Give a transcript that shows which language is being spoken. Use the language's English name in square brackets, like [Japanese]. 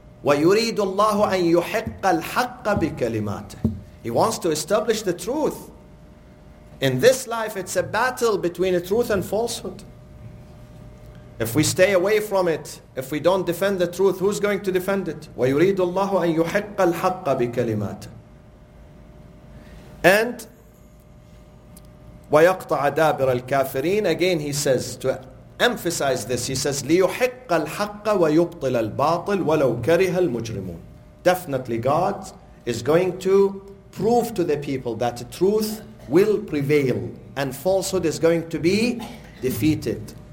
[Arabic] وَيُرِيدُ اللَّهُ أَن يُحِقَّ الْحَقَّ بِكَلِمَاتِهِ. [English] He wants to establish the truth. In this life, it's a battle between the truth and falsehood. If we stay away from it, if we don't defend the truth, who's going to defend it? [Arabic] وَيُرِيدُ اللَّهُ أَن يُحِقَّ الْحَقَّ بِكَلِمَاتِهِ. [English] And [Arabic] وَيَقْطَعَ دَابِرَ الْكَافِرِينَ. [English] Again he says, to emphasize this, he says, [Arabic] لِيُحِقَّ الْحَقَّ وَيُبْطِلَ الْبَاطِلَ وَلَوْ كَرِهَ الْمُجْرِمُونَ. [English] Definitely God is going to prove to the people that truth will prevail and falsehood is going to be defeated.